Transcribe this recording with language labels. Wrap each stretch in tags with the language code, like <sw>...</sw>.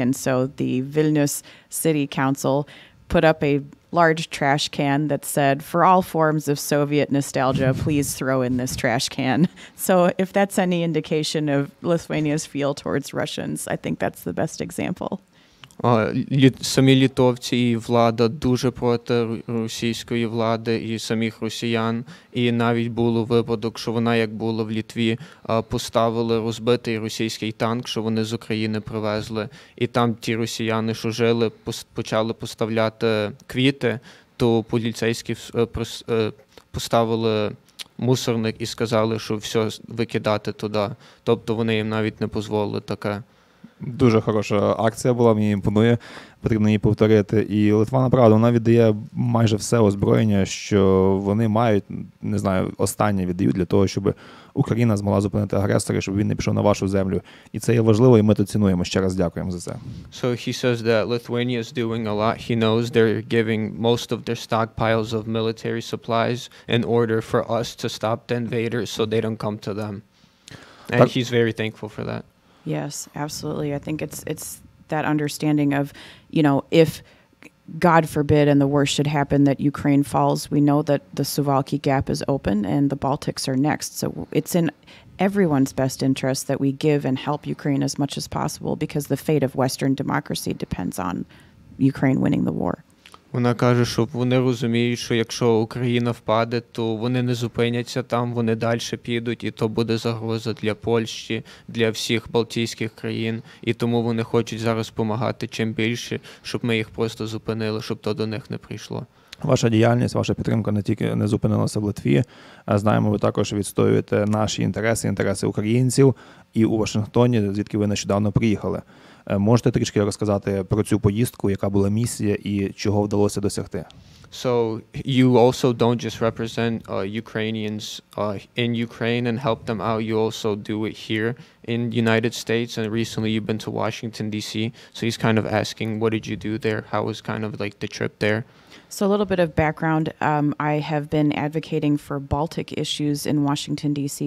<en>And so the Vilnius City Council put up a large trash can that said, for all forms of Soviet nostalgia, please throw in this trash can. So if that's any indication of Lithuania's feel towards Russians, I think that's the best example.</en> <uk>Самі літовці і влада дуже проти російської влади і самих росіян. І навіть було випадок, що вона, як була в Літві, поставили розбитий російський танк, що вони з України привезли. І там ті росіяни, що жили, почали поставляти квіти, то поліцейські поставили мусорник і сказали, що все викидати туди. Тобто вони їм навіть не дозволили таке. Дуже хороша акція була, мені імпонує, потрібно її повторити. І Литва, направду, вона віддає майже все озброєння, що вони мають, не знаю, останнє віддають для того, щоб Україна змогла зупинити агресора, щоб він не пішов на вашу землю. І це є важливо, і ми то цінуємо. Ще раз дякуємо за це.</uk> <en>So he says that Lithuania is doing a lot. He knows they're giving most of their stockpiles of military supplies in order for us to stop the invaders so they don't come to them. And</en> <uk>так.</uk> <en>He's very thankful for that. Yes, absolutely. I think it's that understanding of, you know, if God forbid and the worst should happen that Ukraine falls, we know that the Suwalki gap is open and the Baltics are next. So it's in everyone's best interest that we give and help Ukraine as much as possible because the fate of Western democracy depends on Ukraine winning the war.</en> <uk>Вона каже, що вони розуміють, що якщо Україна впаде, то вони не зупиняться там, вони далі підуть, і то буде загроза для Польщі, для всіх балтійських країн, і тому вони хочуть зараз допомагати чим більше, щоб ми їх просто зупинили, щоб то до них не прийшло. Ваша діяльність, ваша підтримка не тільки не зупинилася в Литві, а знаємо, ви також відстоюєте наші інтереси, інтереси українців і у Вашингтоні, звідки ви нещодавно приїхали. Можете трішки розказати про цю поїздку, яка була місія і чого вдалося досягти?</uk> <en>So you also don't just represent Ukrainians in Ukraine and help them out, you also do it here in the United States, and recently you've been to Washington DC. So he's kind of asking, what did you do there? How was kind of like the trip there? So a little bit of background, I have been advocating for Baltic issues in Washington, D.C.</en>